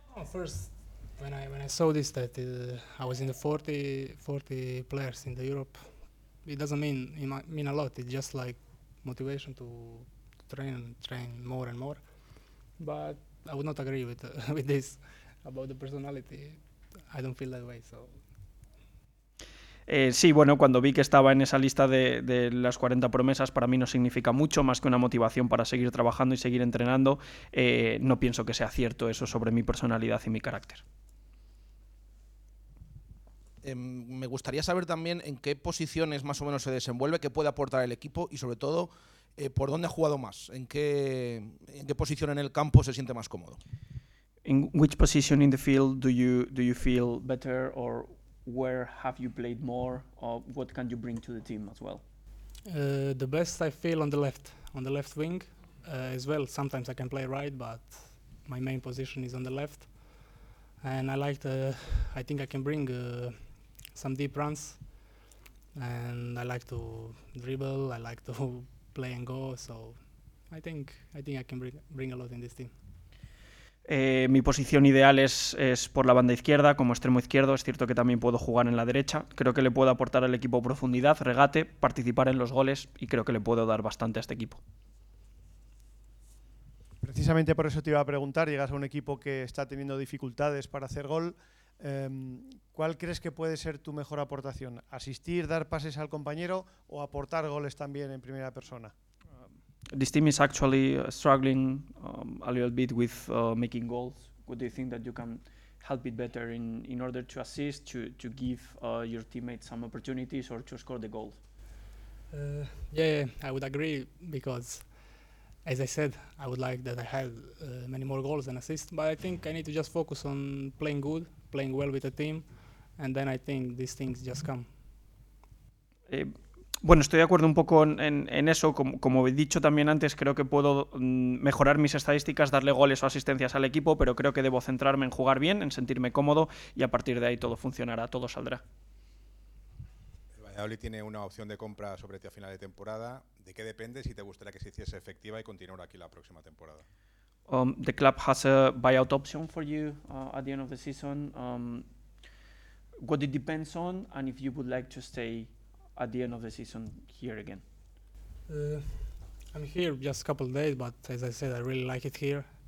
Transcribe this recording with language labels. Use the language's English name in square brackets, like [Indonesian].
[English] First, when I saw this, that I was in the 40 players in the Europe, it doesn't mean a lot. It's just like motivation to train more and more. But I would not agree with this about the personality. I don't feel that way. So. [Spanish] Sí, bueno, cuando vi que estaba en esa lista de las 40 promesas, para mí no significa mucho más que una motivación para seguir trabajando y seguir entrenando. No pienso que sea cierto eso sobre mi personalidad y mi carácter. Me gustaría saber también en qué posiciones más o menos se desenvuelve, qué puede aportar el equipo y, sobre todo, ¿por dónde ha jugado más? ¿En qué posición en el campo se siente más cómodo? [English] In which position in the field do you feel better, or where have you played more, or what can you bring to the team as well? The best I feel on the left wing as well. Sometimes I can play right, but my main position is on the left. And I like to, I think I can bring some deep runs. And I like to dribble, I like to play and go. So I think I can bring a lot in this team. [Spanish] Mi posición ideal es por la banda izquierda, como extremo izquierdo. Es cierto que también puedo jugar en la derecha. Creo que le puedo aportar al equipo profundidad, regate, participar en los goles y creo que le puedo dar bastante a este equipo. Precisamente por eso te iba a preguntar, llegas a un equipo que está teniendo dificultades para hacer gol. ¿Cuál crees que puede ser tu mejor aportación? ¿Asistir, dar pases al compañero o aportar goles también en primera persona? [English] This team is actually struggling a little bit with making goals. What do you think that you can help it better in order to assist, to give your teammates some opportunities or to score the goal? Yeah, I would agree because, as I said, I would like that I have many more goals than assists, but I think I need to just focus on playing good, playing well with the team, and then I think these things just come. [Spanish] Bueno, estoy de acuerdo un poco en eso. Como he dicho también antes, creo que puedo mejorar mis estadísticas, darle goles o asistencias al equipo, pero creo que debo centrarme en jugar bien, en sentirme cómodo, y a partir de ahí todo funcionará, todo saldrá. El Valladolid tiene una opción de compra sobre ti a final de temporada. ¿De qué depende si te gustaría que se hiciese efectiva y continuar aquí la próxima temporada? [English] The club has a buyout option for you at the end of the season. What it depends on and if you would like to stay at the end of the season here again? I'm here just a couple of days, but as I said, I really like it here.